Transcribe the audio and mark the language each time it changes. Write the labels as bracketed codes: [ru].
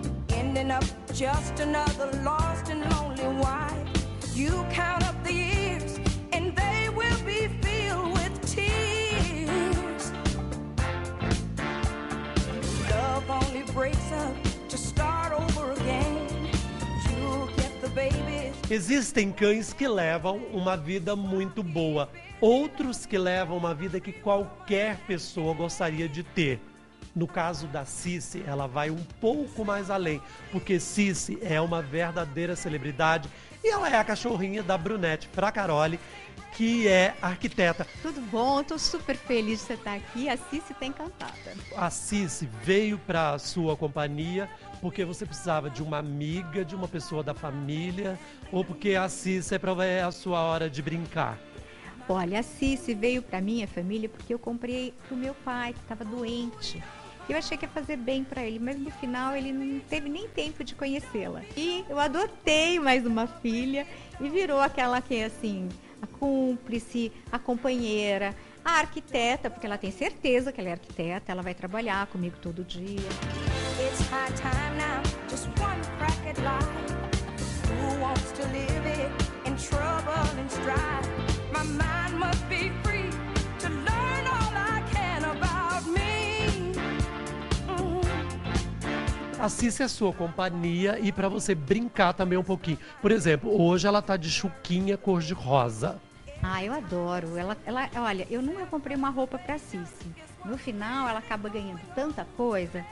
[en] Ending up just another lost and lonely wife. You count up the years and they will be filled with tears. Love only breaks up to start over again. You'll get the babies. [pt] Existem cães que levam uma vida muito boa, outros que levam uma vida que qualquer pessoa gostaria de ter. No caso da Cici, ela vai um pouco mais além, porque Cici é uma verdadeira celebridade e ela é a cachorrinha da Brunete Fracaroli, que é arquiteta. Tudo bom? Estou super feliz de você estar aqui. A Cici está encantada. A Cici veio para a sua companhia porque você precisava de uma amiga, de uma pessoa da família, ou porque a Cici é a sua hora de brincar? Olha, a Cici veio para minha família porque eu comprei para o meu pai, que estava doente. Eu achei que ia fazer bem pra ele, mas no final ele não teve nem tempo de conhecê-la. E eu adotei mais uma filha e virou aquela que é assim, a cúmplice, a companheira, a arquiteta, porque ela tem certeza que ela é arquiteta, ela vai trabalhar comigo todo dia. [en] It's high time now, just one crack at life. Who wants to live it in trouble and strife? My mind must be free to learn all I can about me. [pt] A Cissa é sua companhia e pra você brincar também um pouquinho. Por exemplo, hoje ela tá de chuquinha cor de rosa. Ah, eu adoro. Ela, olha, eu nunca comprei uma roupa pra Cissa. No final, ela acaba ganhando tanta coisa.